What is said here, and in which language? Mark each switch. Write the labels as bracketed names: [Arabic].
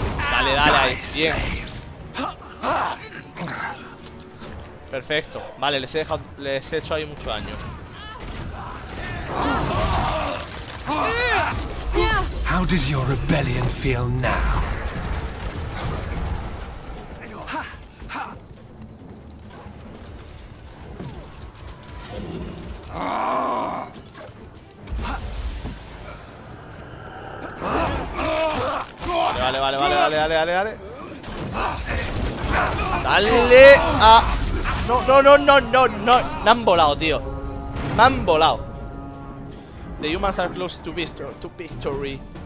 [Spanish] Dale, dale ahí, bien. Perfecto, vale, les he hecho ahí mucho daño. [English] How does your rebellion feel now? [Spanish] Dale, dale, dale. Dale a... No, no, no, no, no, no. Me han volado, tío. Me han volado. [English] The humans are close to victory.